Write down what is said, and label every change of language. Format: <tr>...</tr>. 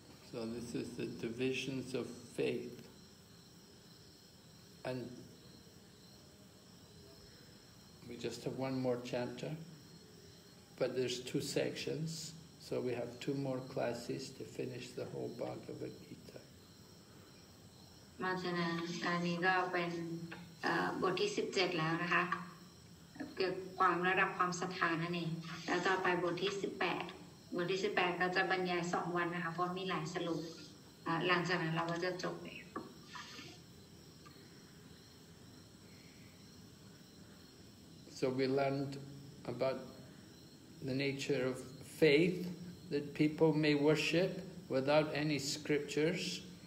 <en>So this is the divisions of faith, and we just have one more chapter, but there's two sections, so we have two more classes to finish the whole Bhagavad Gita.</en> <th>มาฉะนั้นอันนี้ก็เป็นบทที่17แล้วนะคะเกี่ยวกับความระดับความศรัทธานั่นเองแล้วต่อไปบทที่18วันที่18เราจะบรรยาย2วันนะคะเพราะมีหลายสรุปหลังจากนั้นเราก็จะจบเลย</th> <en>So we learned about the nature of faith that people may worship without any scriptures.</en>